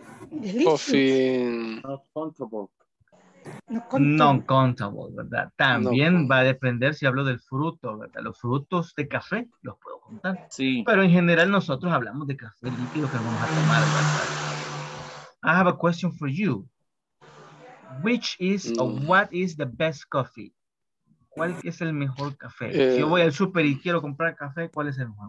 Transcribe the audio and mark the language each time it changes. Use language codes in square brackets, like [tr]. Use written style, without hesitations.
[en] Delicious. Coffee. [es] Non-countable, ¿verdad? También va a depender si hablo del fruto, ¿verdad? Los frutos de café los puedo contar. Sí. Pero en general nosotros hablamos de café líquido que vamos a tomar, ¿verdad? [en] I have a question for you. Which is or what is the best coffee? [es] ¿Cuál es el mejor café? Si yo voy al súper y quiero comprar café, ¿cuál es el mejor?